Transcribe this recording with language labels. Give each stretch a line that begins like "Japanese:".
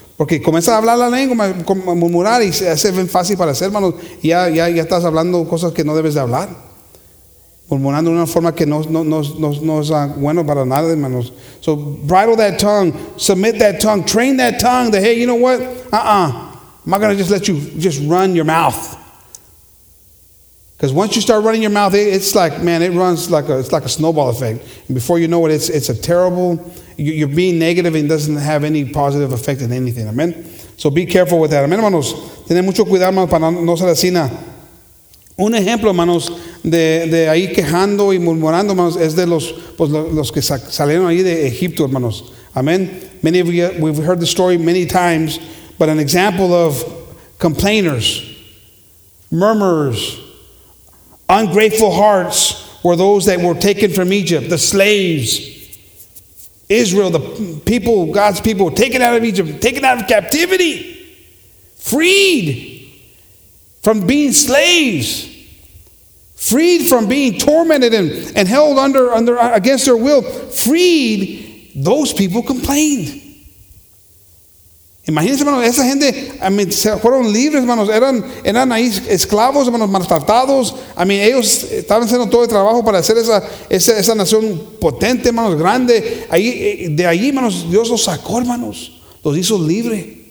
Spanish: Porque comienzas a hablar la lengua, a murmurar, y se hace bien fácil para hacer, hermanos. Ya estás hablando cosas que no debes de hablar. Murmurando de una forma que no es bueno para nada, hermanos.
English: So, bridle that tongue, submit that tongue, train that tongue that, hey, you know what? I'm not going to just let you just run your mouth. Because once you start running your mouth, it's like, man, it runs like a snowball effect. And before you know it, it's a terrible, you're being negative and doesn't have any positive effect in anything. Amen. So be careful with that. Amen, hermanos.
Spanish: Tienen mucho cuidado, hermanos, para no ser así. Un ejemplo, hermanos, de ahí quejando y murmurando, hermanos, es de los que salieron ahí de Egipto, hermanos. Amen.
English: Many of you, we've heard the story many times, but an example of complainers, murmurers, ungrateful hearts were those that were taken from Egypt, the slaves. Israel, the people, God's people, taken out of Egypt, taken out of captivity, freed from being slaves, freed from being tormented and held under against their will, freed, those people complained.
Spanish: Imagínense, hermanos, esa gente,
English: I mean,
Spanish: se fueron libres, hermanos, eran ahí esclavos, hermanos, maltratados.
English: I mean,
Spanish: ellos estaban haciendo todo el trabajo para hacer esa nación potente, hermanos, grande. Ahí, de allí, hermanos, Dios los sacó, hermanos, los hizo libres.